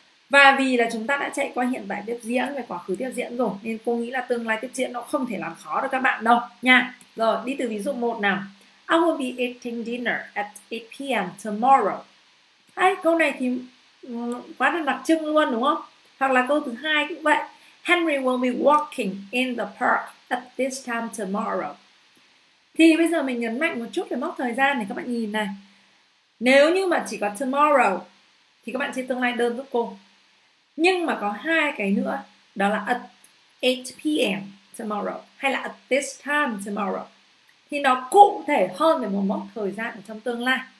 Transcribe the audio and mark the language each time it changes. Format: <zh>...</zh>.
<vi>Và vì là chúng ta đã chạy qua hiện tại tiếp diễn và quá khứ tiếp diễn rồi, nên cô nghĩ là tương lai tiếp diễn nó không thể làm khó được các bạn đâu nha. Rồi, đi từ ví dụ 1 nào.</vi> <en>I will be eating dinner at 8 p.m. tomorrow.</en> <vi>Hay, câu này thì quá là đặc trưng luôn đúng không? Hoặc là câu thứ hai cũng vậy.</vi> <en>Henry will be walking in the park at this time tomorrow.</en> <vi>Thì bây giờ mình nhấn mạnh một chút về mốc thời gian này các bạn nhìn này. Nếu như mà chỉ có tomorrow thì các bạn chia tương lai đơn giúp cô. Nhưng mà có hai cái nữa, đó là</vi> <en>at 8 p.m.</en> <vi>tomorrow hay là</vi> <en>at this time tomorrow,</en> <vi>thì nó cụ thể hơn về một mốc thời gian trong tương lai.</vi>